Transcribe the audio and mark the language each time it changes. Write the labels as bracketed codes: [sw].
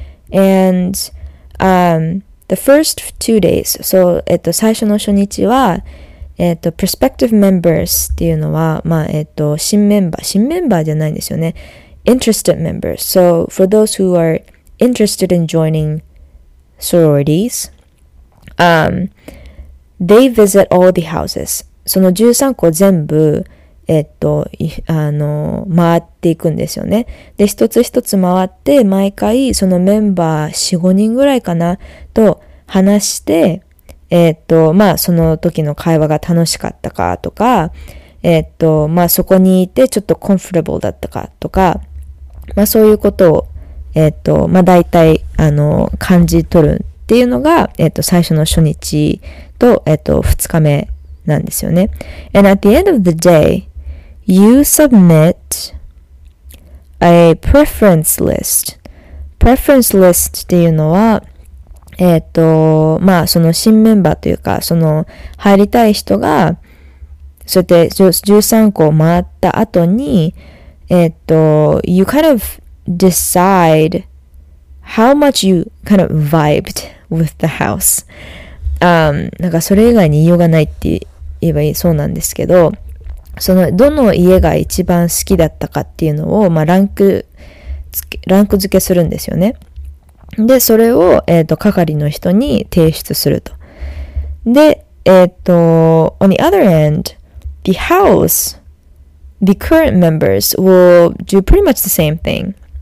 [en] And, the first 2 days, so, [ja] 最初の初日は、prospective members っていうのは、まあ、新メンバーじゃないんですよね。 [en] Interested members. So, for those who are interested in joining sororities, they visit all the houses. [ja] その13個全部、回っていくんですよね。で、一つ一つ回って、毎回、そのメンバー4、5人ぐらいかな、と話して、まあ、その時の会話が楽しかったかとか、まあ、そこにいてちょっとコンフォータブルだったかとか、まあ、そういうことを、まあ、大体、感じ取るっていうのが、最初の初日と、2日目なんですよね。 [en] And at the end of the day, you submit a preference list. [ja] Preference list っていうのは、まあ、その新メンバーというか、その入りたい人が、そうやって13個回った後に、 [en] You kind of decide how much you kind of vibed with the house. [ja] なんかそれ以外に言いようがないって言えばいいそうなんですけど、そのどの家が一番好きだったかっていうのを、まあ、ランク付けするんですよね。で、それを、係の人に提出すると。 [en] で、on the other end, the house, the current members will do pretty much the same thing.